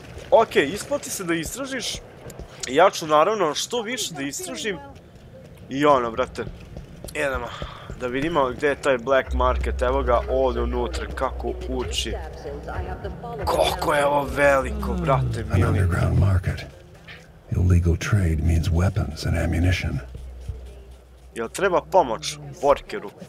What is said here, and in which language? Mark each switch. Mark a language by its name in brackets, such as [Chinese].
[Serbian] Okej, isplati se da istražiš. Ja ću naravno što više da istražim i ono, brate, jedemo da vidimo gdje je taj black market, evo ga ovdje unutra, kako uči. Koliko je ovo veliko, brate, mili. [English] An underground market. Illegal trade means weapons and ammunition. [Serbian] Jel treba pomoć workeru?